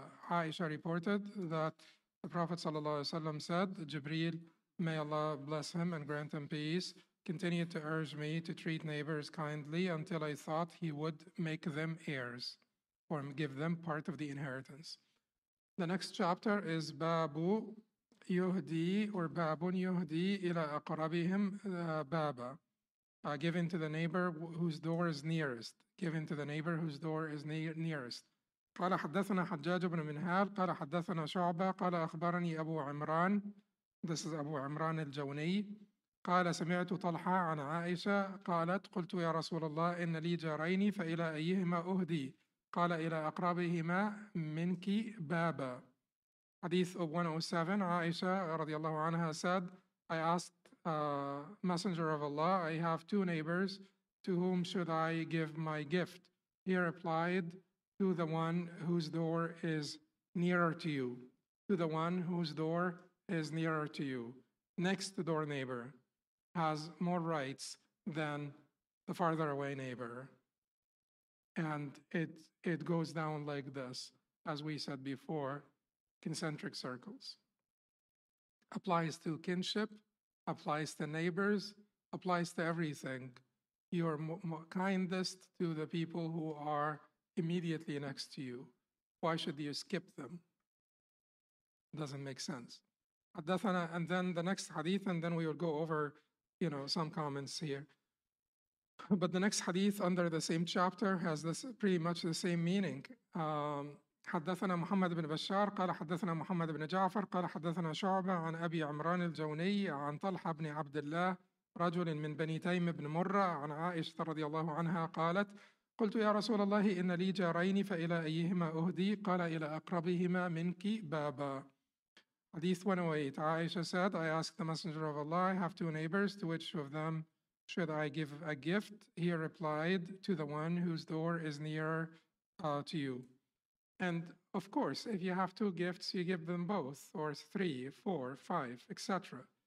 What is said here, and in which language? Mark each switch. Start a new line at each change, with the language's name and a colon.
English: Aisha reported that the Prophet صلى الله عليه وسلم said, Jibreel, may Allah bless him and grant him peace, continued to urge me to treat neighbors kindly until I thought he would make them heirs or give them part of the inheritance. The next chapter is Babu Yuhdi or Babun Yuhdi ila aqrabihim Baba. Given to the neighbor whose door is nearest. Given to the neighbor whose door is nearest.
Arabic: قال حدثنا حجاج بن منهال قال حدثنا شعبة قال أخبرني أبو عمران.
English: This is
Arabic: أبو عمران الجوني. قال سمعت طلحة عن عائشة قالت قلت يا رسول الله إن لي جارين فإلى أيهما أهدي قال إلى أقربهما منك بابا.
English: Hadith 107, Aisha رضي الله عنها said, I asked Messenger of Allah, I have two neighbors, to whom should I give my gift? He replied, to the one whose door is nearer to you. To the one whose door is nearer to you. Next door neighbor has more rights than the farther away neighbor. And it goes down like this, as we said before, concentric circles. Applies to kinship, applies to neighbors, applies to everything. You're kindest to the people who are immediately next to you. Why should you skip them? Doesn't make sense. Haddathana, and then the next hadith, and then we will go over, you know, some comments here. But the next hadith under the same chapter has this pretty much the same meaning.
Arabic: حدثنا محمد بن بشار قال حدثنا محمد بن جعفر قال حدثنا شعبة عن أبي عمران الجوني عن طلحة بن عبد الله رجل من بني تيم بن مرة عن عائشة رضي الله عنها قالت قلت يا رسول الله إن لي جارين فإلى أيهما أهدي قال إلى أقربهما منك بابا.
English: Hadith 108, Aisha said, I asked the Messenger of Allah, I have two neighbors, to which of them should I give a gift? He replied, to the one whose door is near to you. And of course, if you have two gifts, you give them both, or three, four, five, etc.